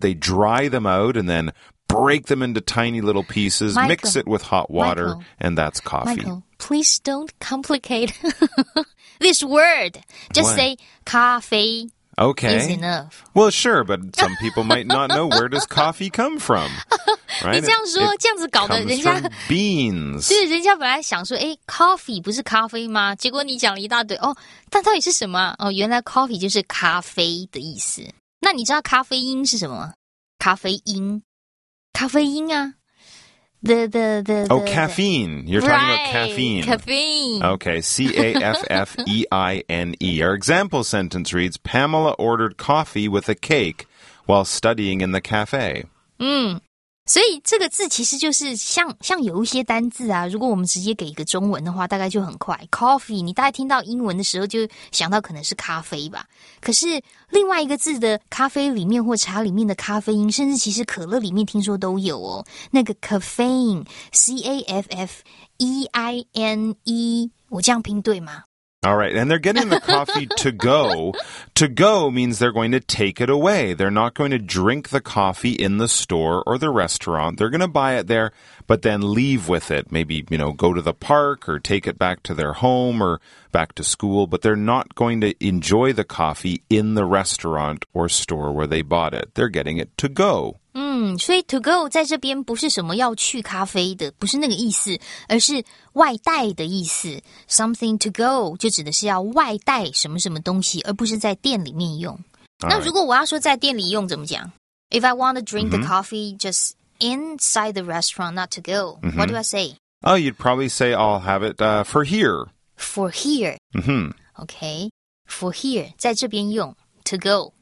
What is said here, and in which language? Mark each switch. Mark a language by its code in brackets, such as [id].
[en] They dry them out and then... Break them into tiny little pieces, Michael, mix it with hot water, Michael, and that's coffee. Michael, please don't complicate this word. Just、 Say coffee. Okay. Is enough. Well, sure, but some people might not know where does coffee come from. Right? [zh] 你这样说，这样子搞的，人家 [en] beans [zh] 对，人家本来想说，哎 ，coffee 不是咖啡吗？结果你讲了一大堆，哦，但到底是什么？哦，原来 coffee 就是咖啡的意思。那你知道咖啡因是什么？咖啡因，咖啡因啊。 [en] The oh, caffeine. You're right, talking about caffeine. Caffeine. Okay, caffeine. Our example sentence reads, Pamela ordered coffee with a cake while studying in the cafe. [zh] 所以这个字其实就是 像有一些单字啊，如果我们直接给一个中文的话，大概就很快。 Coffee, 你大概听到英文的时候就想到可能是咖啡吧。可是另外一个字的咖啡里面或茶里面的咖啡因，甚至其实可乐里面听说都有哦。那个 caffeine, caffeine, 我这样拼对吗？ [en] All right, and they're getting the coffee to go. To go means they're going to take it away. They're not going to drink the coffee in the store or the restaurant. They're going to buy it there, but then leave with it. Maybe, you know, go to the park or take it back to their home or back to school. But they're not going to enjoy the coffee in the restaurant or store where they bought it. They're getting it to go. [zh] 所以 to go 在这边不是什么要去咖啡的，不是那个意思，而是外带的意思。 [en] Something to go [zh] 就指的是要外带什么什么东西，而不是在店里面用。 [en] All right. [zh] 那如果我要说在店里用怎么讲 [en] ？If I want to drink the coffee just inside the restaurant, not to go. What do I say? Oh, you'd probably say I'll have it for here. For here. Okay. For here, [zh] 在这边用 [en] to go.